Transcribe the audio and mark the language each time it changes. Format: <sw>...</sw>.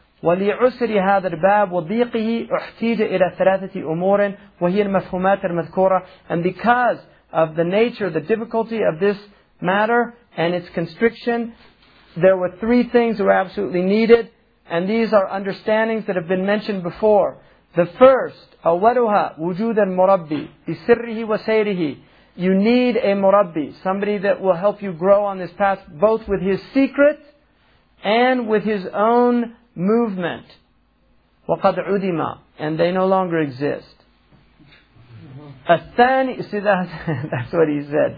<ar>وَلِعُسْرِ هَذَا الْبَابُ وَضِيقِهِ أُحْتِيجَ إِلَى ثَلَاثَةِ أُمُورٍ وَهِيَ الْمَفْهُومَاتِ الْمَذْكُورَةِ.</ar> <en>And because of the nature, the difficulty of this matter and its constriction, there were three things that were absolutely needed, and these are understandings that have been mentioned before. The first,</en> <ar>أَوَّلُهَا وُجُودًا مُرَبِّي بِسِرِّهِ وَسَيْرِهِ.</ar> <en>You need a murabbi, somebody that will help you grow on this path, both with his secret and with his own movement.</en> <ar>وَقَدْ عُدِمَا.</ar> <en>And they no longer exist. الثاني, see that? That's what he said.</en>